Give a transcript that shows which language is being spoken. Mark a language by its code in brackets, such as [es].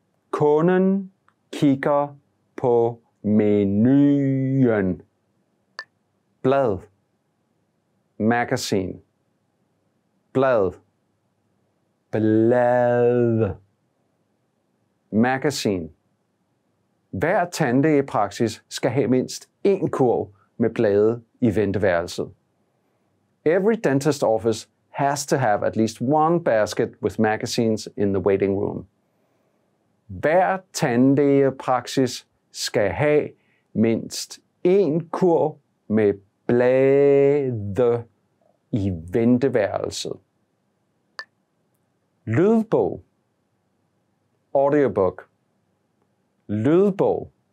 [da] Kunden kigger på menuen. Blad. Magazine. Blad. Blad. Magazine. Hver tandlægepraksis skal have mindst én kurv med blade i venteværelset. [en] Every dentist office has to have at least one basket with magazines in the waiting room. [da] Hver tandlægepraksis skal have mindst én kurv med blade i venteværelset. Lydbog. Audiobook. Lydbog.